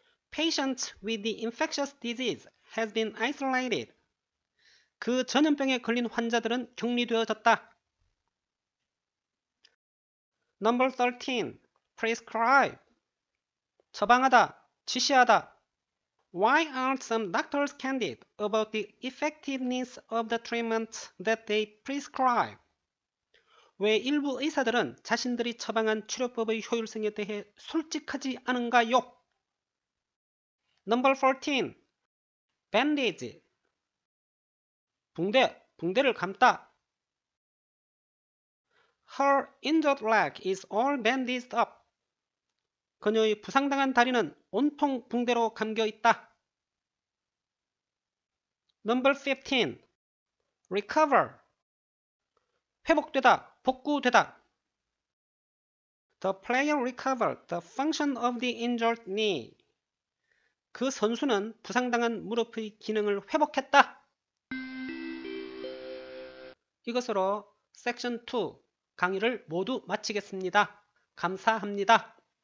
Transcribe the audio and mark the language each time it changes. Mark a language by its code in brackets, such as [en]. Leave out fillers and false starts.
[en] Patients with the infectious disease has been isolated. [ko] 그 전염병에 걸린 환자들은 격리되어졌다. [en] Number 13. Prescribe. [ko] 처방하다, 지시하다. [en] Why aren't some doctors candid about the effectiveness of the treatment that they prescribe? [ko] 왜 일부 의사들은 자신들이 처방한 치료법의 효율성에 대해 솔직하지 않은가요? [en] Number 14. Bandage. [ko] 붕대, 붕대를 감다. [en] Her injured leg is all bandaged up. [ko] 그녀의 부상당한 다리는 온통 붕대로 감겨 있다. [en] Number 15. Recover. [ko] 회복되다, 복구되다. [en] The player recovered the function of the injured knee. [ko] 그 선수는 부상당한 무릎의 기능을 회복했다. 이것으로 섹션 2 강의를 모두 마치겠습니다. 감사합니다.